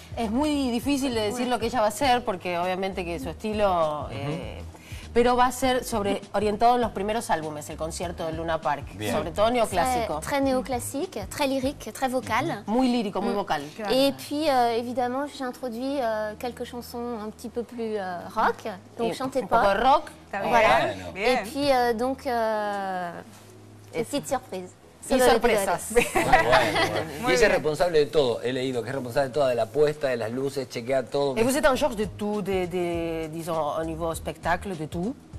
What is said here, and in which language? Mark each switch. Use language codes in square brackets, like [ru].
[es] Es muy difícil de decir lo que ella va a hacer, porque obviamente que su estilo... Pero va a ser sobre orientado en los primeros álbumes, el concierto de Luna Park. Bien. Sobre todo neoclásico. [fr] Très néoclassique, très lyrique, très vocal. [es] Muy [fr] lyrique, [es] muy vocal. Claro. [fr] Et puis, évidemment, j'ai introduit quelques chansons un petit peu plus rock. Donc, chantez pas. [es] Un poco rock. [fr] Voilà. Bien. Et puis, donc, petite surprise. [es] Y sorpresas. Y es responsable de todo. He leído que es responsable de toda, de la puesta, de las luces, chequea todo. ¿Y vos estás [fr] en charge [es] de todo, [fr] disons, [es] a nivel espectáculo, de todo?